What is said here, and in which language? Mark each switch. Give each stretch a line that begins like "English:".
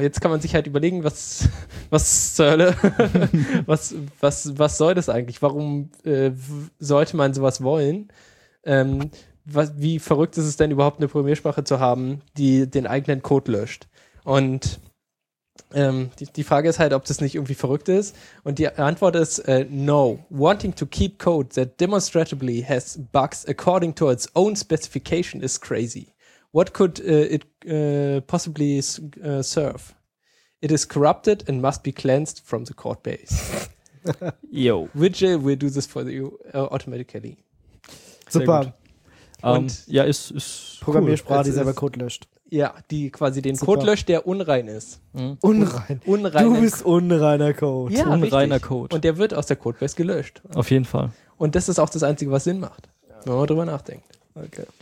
German: Jetzt kann man sich halt überlegen, was zur Hölle, was soll das eigentlich? Warum sollte man sowas wollen? Wie verrückt ist es denn überhaupt, eine Programmiersprache zu haben, die den eigenen Code löscht? Und die Frage ist halt, ob das nicht irgendwie verrückt ist. Und die Antwort ist no.
English: Wanting to keep code that demonstrably has bugs according to its own specification is crazy. What could it possibly serve? It is corrupted and must be cleansed from the code base. Yo. Vigil will do this for you automatically.
German: Super. Und ja, ist Programmiersprache, cool, die selber Code löscht. Ja, die quasi den Super. Code löscht, der unrein ist. Hm? Unrein. Unrein. Du bist unreiner Code. Ja, unreiner Code. Und der wird aus der Codebase gelöscht. Auf jeden Fall. Und das ist auch das Einzige, was Sinn macht, ja, wenn man drüber nachdenkt. Okay.